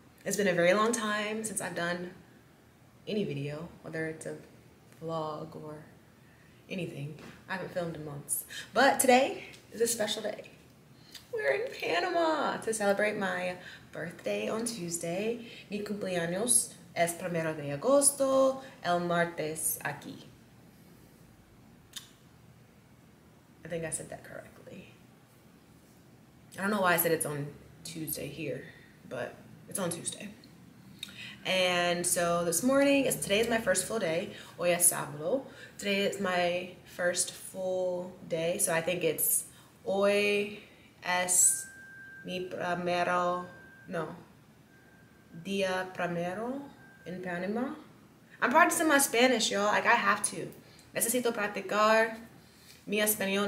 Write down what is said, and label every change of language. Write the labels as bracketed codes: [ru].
[en] It's been a very long time since I've done any video, whether it's a vlog or anything. I haven't filmed in months. But today is a special day. We're in Panama to celebrate my birthday on Tuesday. [es] Mi cumpleaños es primero de agosto, el martes aquí. [en] I think I said that correctly. I don't know why I said it's on Tuesday here, but it's on Tuesday. And so this morning, today is my first full day. [es] Hoy es sábado. [en] Today is my first full day. So I think it's [es] hoy es mi primero, no, día primero in Panama. [en] I'm practicing my Spanish, y'all. Like, I have to. [es] Necesito practicar mi español.